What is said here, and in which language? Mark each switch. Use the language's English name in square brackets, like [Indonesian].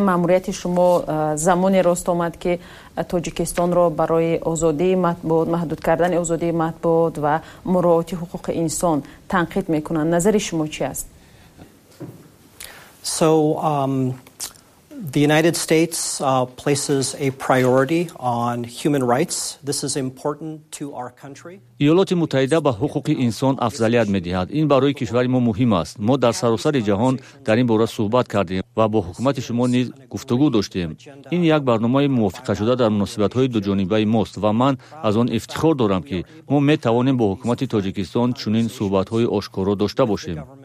[Persian] ماموریت شما زمانی راست آمد که تاجیکستان را برای آزادی مطبوعات، محدود کردن آزادی مطبوعات و مراعات حقوق انسان تنقید میکنند. نظر شما چی است؟ [English] The United States places a priority on human rights. This is important to our country. [Persian] ایالات متحده به حقوق انسان افضلیت می‌دهد. این برای کشور ما مهم است. ما در سراسر جهان در این باره صحبت کردیم و با حکومت شما نیز گفتگو داشتیم. این یک برنامه موافقه شده در مناسبت‌های دو جانبه ماست و من از آن افتخار دارم که ما می‌توانیم با حکومت تاجیکستان چنین صحبت‌های آشکارا داشته باشیم.